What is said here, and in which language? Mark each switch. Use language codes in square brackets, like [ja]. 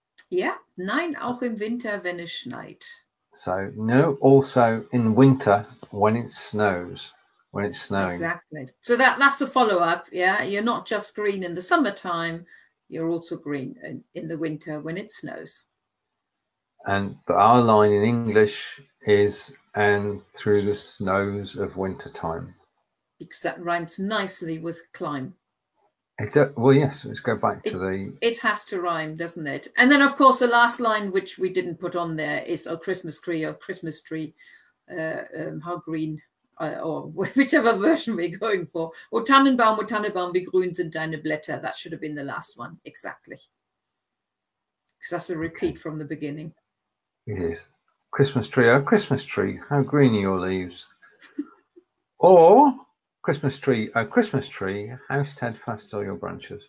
[de] Yeah, nein auch im Winter, wenn es schneit. [en] So, no, also in winter when it snows, when it's snowing. Exactly. So that's a follow-up, yeah? You're not just green in the summertime, you're also green in the winter when it snows. But our line in English is and through the snows of winter time, because that rhymes nicely with climb. Let's go back to it has to rhyme, doesn't it? And then of course the last line, which we didn't put on there, is O Christmas Tree, how green, or whichever version we're going for. [de] O Tannenbaum, wie grün sind deine Blätter. [en] That should have been the last one, exactly, because that's a repeat from the beginning. It is. Christmas tree, oh Christmas tree, how green are your leaves? Or Christmas tree, oh Christmas tree, how steadfast are your branches?